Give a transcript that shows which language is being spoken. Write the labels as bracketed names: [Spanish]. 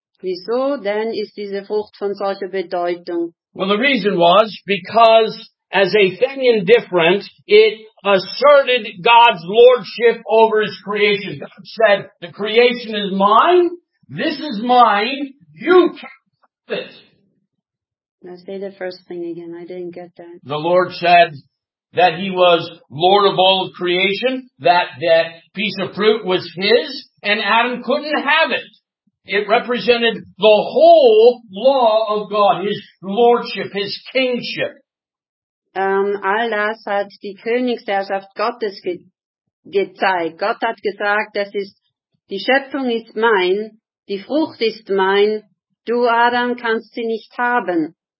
[German] Wieso denn ist diese Frucht von solcher Bedeutung? [English] Well, the reason was because as a thing indifferent, it asserted God's lordship over his creation. God said, the creation is mine, this is mine, you can't have it. Now say the first thing again, I didn't get that. The Lord said that he was Lord of all of creation, that that piece of fruit was his, and Adam couldn't have it. It represented the whole law of God, his lordship, his kingship. [German] All das hat die Königsherrschaft Gottes gezeigt. Gott hat gesagt, das ist, die Schöpfung ist mein, die Frucht ist mein, du Adam kannst sie nicht haben.